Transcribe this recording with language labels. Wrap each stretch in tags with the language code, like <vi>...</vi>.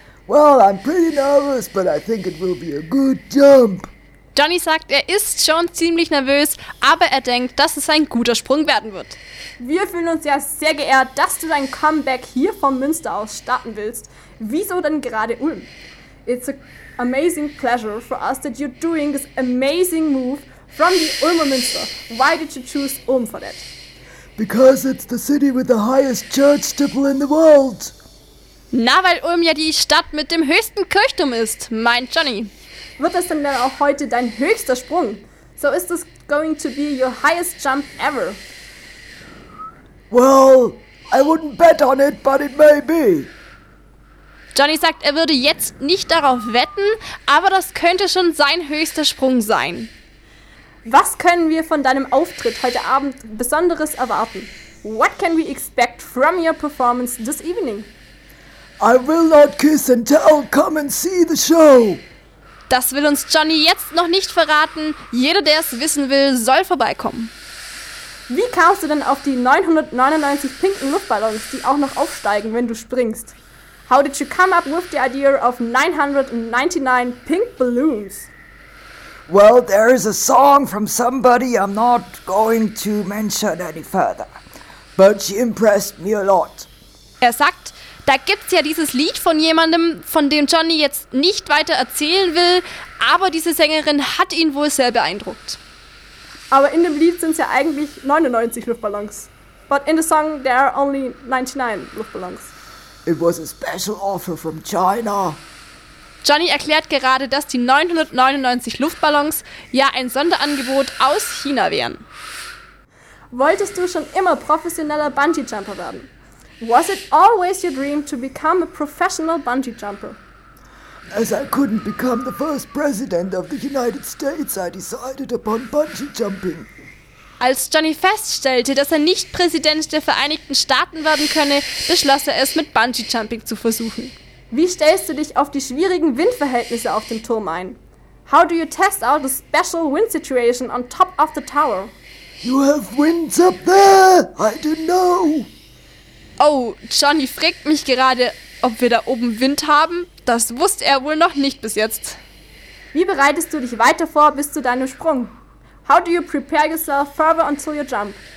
<en>Well, I'm pretty nervous, but I think it will be a good jump.</en> <de>Johnny sagt, er ist schon ziemlich nervös, aber er denkt, dass es ein guter Sprung werden wird. Wir fühlen uns ja sehr geehrt, dass du dein Comeback hier vom Münster aus starten willst. Wieso denn gerade Ulm?</de> <en>It's an amazing pleasure for us that you're doing this amazing move from the Ulmer Münster. Why did you choose Ulm for that? Because it's the city with the highest church steeple in the world.</en> <de>Na, weil Ulm ja die Stadt mit dem höchsten Kirchturm ist, meint Johnny. Wird das denn dann auch heute dein höchster Sprung?</de> <en>So is this going to be your highest jump ever? Well, I wouldn't bet on it, but it may be.</en> <de>Johnny sagt, er würde jetzt nicht darauf wetten, aber das könnte schon sein höchster Sprung sein. Was können wir von deinem Auftritt heute Abend Besonderes erwarten?</de> <en>What can we expect from your performance this evening? I will not kiss and tell, come and see the show.</en> <de>Das will uns Johnny jetzt noch nicht verraten. Jeder, der es wissen will, soll vorbeikommen. Wie kamst du denn auf die 999 pinken Luftballons, die auch noch aufsteigen, wenn du springst?</de> <en>How did you come up with the idea of 999 pink balloons? Well, there is a song from somebody I'm not going to mention any further. But she impressed me a lot.</en> <de>Er sagt, da gibt's ja dieses Lied von jemandem, von dem Johnny jetzt nicht weiter erzählen will, aber diese Sängerin hat ihn wohl sehr beeindruckt. Aber in dem Lied sind es ja eigentlich 99 Luftballons.</de> <en>But in the song there are only 99 Luftballons. It was a special offer from China.</en> <de>Johnny erklärt gerade, dass die 999 Luftballons ja ein Sonderangebot aus China wären. Wolltest du schon immer professioneller Bungee-Jumper werden?</de> <en>Was it always your dream to become a professional bungee jumper? As I couldn't become the first president of the United States, I decided upon bungee jumping.</en> <de>Als Johnny feststellte, dass er nicht Präsident der Vereinigten Staaten werden könne, beschloss er es mit Bungee Jumping zu versuchen. Wie stellst du dich auf die schwierigen Windverhältnisse auf dem Turm ein?</de> <en>How do you test out the special wind situation on top of the tower? You have winds up there! I don't know!</en> <de>Oh, Johnny fragt mich gerade, ob wir da oben Wind haben. Das wusste er wohl noch nicht bis jetzt. Wie bereitest du dich weiter vor bis zu deinem Sprung?</de> <en>How do you prepare yourself further until your jump?</en>